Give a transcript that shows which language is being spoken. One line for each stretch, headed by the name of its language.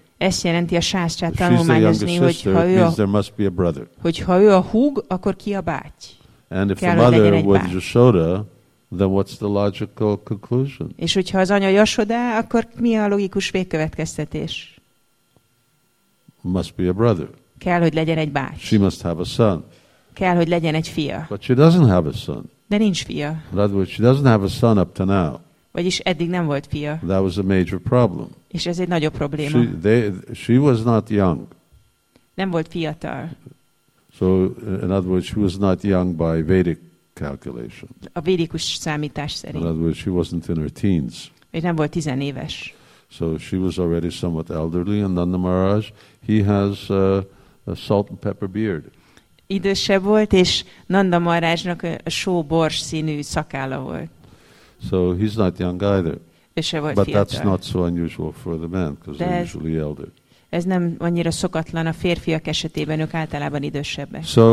Hungarian: Ezt jelenti a sásztrát tanulmányozni, hogy ha ő a,
English: there must be a brother.
Hungarian: Hogy ha ő a húg, akkor ki a báty?
English: And if the mother was Yashoda, then what's the logical conclusion?
Hungarian: És hogyha az anya Yashoda, akkor mi a logikus végkövetkeztetés?
English: Must be a brother.
Hungarian: Kell, hogy legyen egy báty.
English: She must have a son.
Hungarian: Kell, hogy legyen egy fia.
English: But she doesn't have a son.
Hungarian: De nincs fia.
English: In other words, she doesn't have a son up to now.
Hungarian: Vagyis eddig nem volt fia.
English: That was a major problem.
Hungarian: És ez egy nagyobb probléma.
English: She was not young.
Hungarian: Nem volt fiatal.
English: So, in other words, she was not young by Vedic calculation.
Hungarian: A védikus számítás szerint.
English: In other words, she wasn't in her teens.
Hungarian: És nem volt tizenéves.
English: So she was already somewhat elderly, and Nanda Maharaj, he has a salt and pepper beard.
Hungarian: Idősebb volt, és Nanda Maharajnak a sóbors színű szakálla volt.
English: So he's not young either.
Hungarian: És se volt
English: but
Hungarian: fiatal.
English: That's not so unusual for the man, because they're usually elder.
Hungarian: Ez nem annyira szokatlan a férfiak esetében, ők általában idősebbek.